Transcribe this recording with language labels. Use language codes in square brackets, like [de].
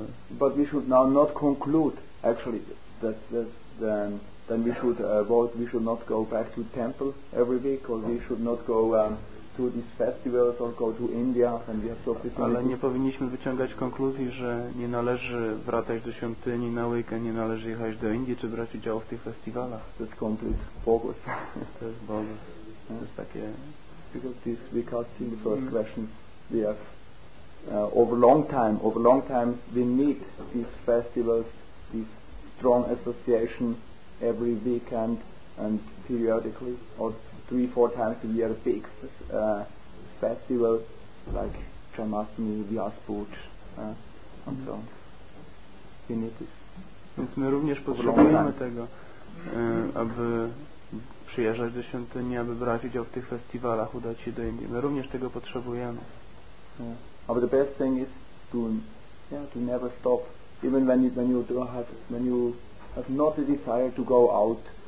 [en] But we should now not conclude actually that then we should avoid, we should not go back to temple every week, or we should not go to these festivals or go to India and we have to. [pl] Ale nie powinniśmy wyciągać konkluzji, że nie należy wracać do świątyni na weekend, nie należy jechać do Indii czy brać udział w tych festiwalach. [en] That's complete bogus. [pl] To jest bogus. To jest takie. [en] Because this, because in the first question we have over long time we need these festivals, this strong association every weekend and periodically, or 3-4 times a year, big festival like Janmashtami, Vyas Puja, and so on. We need this. [pl] Więc my również potrzebujemy tego, aby przyjeżdżać do świątyni, aby brać udział w tych festiwalach, udać się do Indii. My również tego potrzebujemy. [en] But the best thing is to never stop, even when you have not the desire to go out